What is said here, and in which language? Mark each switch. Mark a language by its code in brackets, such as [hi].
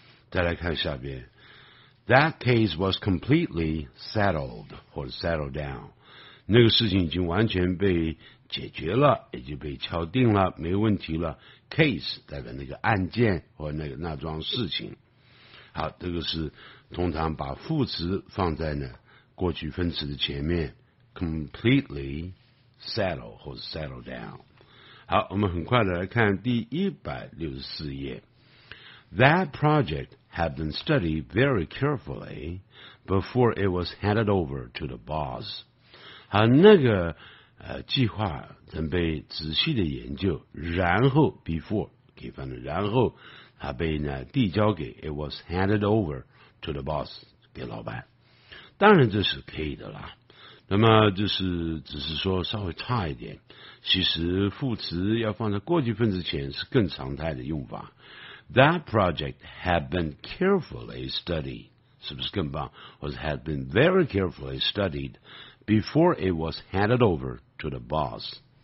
[zh] 再来看下边 [en] ,that case was completely settled, or settled down. [zh] 那个事情已经完全被解决了，也就被敲定了，没问题了。 case 代表那个案件或那个那桩事情。好，这个是通常把副词放在呢过去分词的前面 [en] completely settle [zh] 或者 [en] settle down。 [zh] 好，我们很快的来看第164页 [en] That project had been studied very carefully before it was handed over to the boss。 [zh] 好，那个计划曾被仔细的研究，然后 before 可以放在然后，他被呢递交给 [en] it was handed over to the boss， [zh] 给老板，当然这是可以的啦。那么就是只是说稍微差一点，其实副词要放在过去分词前是更常态的用法。 [en] That project had been carefully studied， [zh] 是不是更棒？ [en] was had been very carefully studied before it was handed over to the boss。